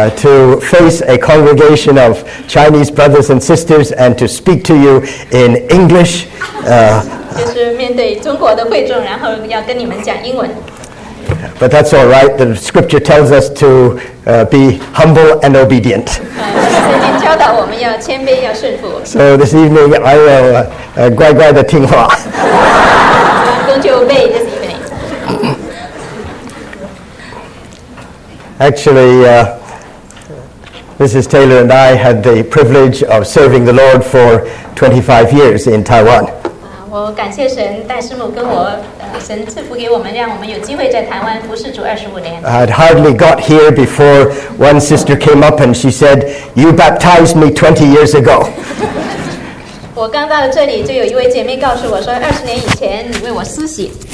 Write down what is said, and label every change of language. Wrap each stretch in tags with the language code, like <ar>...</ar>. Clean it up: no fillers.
<en>To face a congregation of Chinese brothers and sisters and to speak to you in English.</en> <zh>就是面对中国的会众，然后要跟你们讲英文。</zh> <en>But that's all right. The scripture tells us to be humble and obedient.</en> <zh>圣经教导我们要谦卑，要顺服。</zh> <en>So this evening I will</en> <zh>乖乖的听话。恭敬无备。</zh> <en>Actually, Mrs. Taylor and I had the privilege of serving the Lord for 25 years in Taiwan.</en> <zh>我感谢神，戴师母跟我，神赐福给我们，让我们有机会在台湾服侍主25年。</zh> <en>I had hardly got here before one sister came up and she said, "You baptized me 20 years ago."</en> <zh>我刚到这里，就有一位姐妹告诉我说，20年以前你为我施洗。</zh>